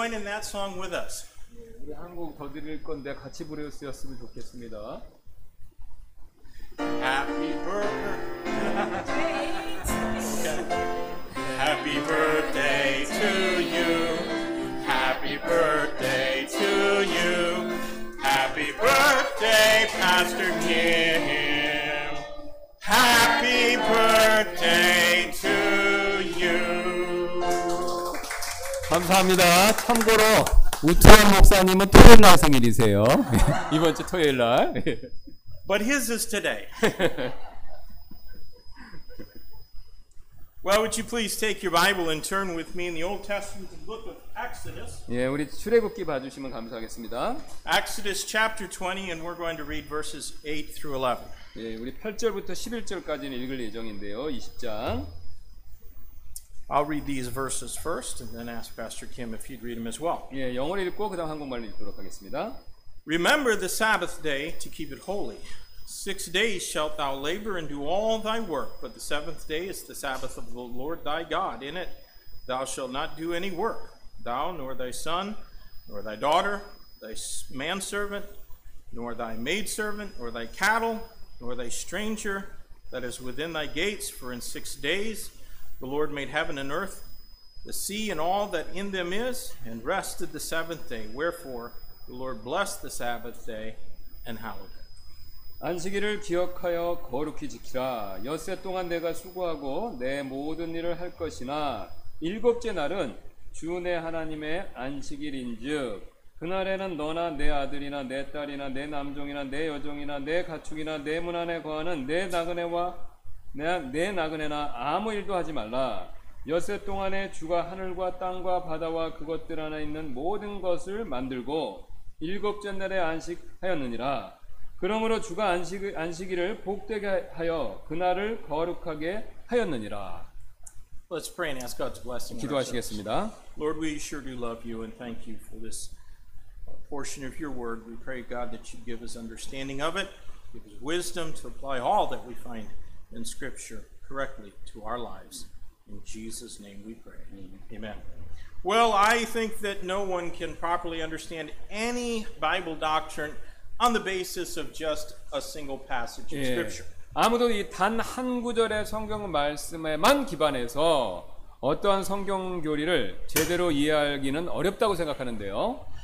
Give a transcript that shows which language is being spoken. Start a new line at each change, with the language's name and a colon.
Korean: 우리 한 곡 더 드릴 건데 같이 부르셨으면 좋겠습니다.
English: Happy birthday, Happy birthday to you, Happy birthday to you, Happy birthday, Pastor Kim, Happy birthday to you.
Korean: 감사합니다. 참고로 우태원 목사님은 토요일날 생일이세요. 이번 주 토요일날.
English: But his is today. Well, would you please take your Bible and turn with me in the Old Testament to the book of Exodus.
Korean: 예, 우리 출애굽기 봐주시면 감사하겠습니다.
English: Exodus chapter 20, and we're going to read verses 8 through 11.
Korean: 예, 우리 8절부터 11절까지는 읽을 예정인데요, 20장.
English: I'll read these verses first and then ask Pastor Kim if he'd read them as well.
Korean: 예, 영어로 읽고 그다음 한국말로 읽도록 하겠습니다.
English: Remember the Sabbath day to keep it holy. 6 days shalt thou labor and do all thy work, but the seventh day is the Sabbath of the Lord thy God. In it thou shalt not do any work, thou nor thy son, nor thy daughter, thy manservant, nor thy maidservant, nor thy cattle, nor thy stranger, that is within thy gates, for in 6 days the Lord made heaven and earth, the sea and all that in them is, and rested the seventh day. Wherefore the Lord blessed the Sabbath day and hallowed it.
Korean: 안식일을 기억하여 거룩히 지키라. 엿새 동안 내가 수고하고 내 모든 일을 할 것이나 일곱째 날은 주 내 하나님의 안식일인즉 그날에는 너나 내 아들이나 내 딸이나 내 남종이나 내 여종이나 내 가축이나 내 문 안에 거하는 내 나그네와 내 나그네나 아무 일도 하지 말라. 엿새 동안에 주가 하늘과 땅과 바다와 그것들 안에 있는 모든 것을 만들고 일곱째 날에 안식하였느니라. 그러므로 주가 안식일을 복되게 하여 그날을 거룩하게 하였느니라.
English: Let's pray and ask God's blessing.
Korean: 기도하시겠습니다.
English: Lord, we sure do love you and thank you for this portion of your word. We pray, God, that you give us understanding of it, give us wisdom to apply all that we find in Scripture correctly to our lives. In Jesus' name we pray. Amen. Well, I think that no one can properly understand any Bible doctrine on the basis of just a single passage in Scripture.
Korean: 아무도 이 단 한 구절의 성경 말씀에만 기반해서 어떠한 성경 교리를 제대로 이해하기는 어렵다고 생각하는데요.